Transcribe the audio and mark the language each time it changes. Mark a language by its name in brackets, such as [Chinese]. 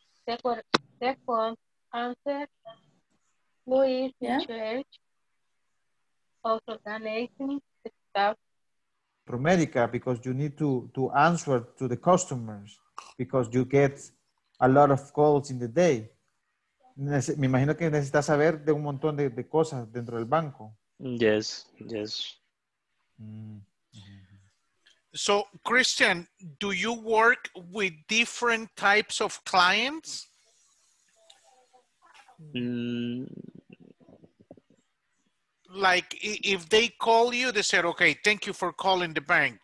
[English] Second answer. Louis, yeah. Also, organizing stuff. ProMedica, because you need to answer to the customers, because you get a lot of calls in the day. [Spanish] Me imagino que necesitas saber de un montón de cosas dentro del banco. [English] Yes, yes. So, Christian, do you work with different types of clients? Like, if they call you, they said, okay, thank you for calling the bank.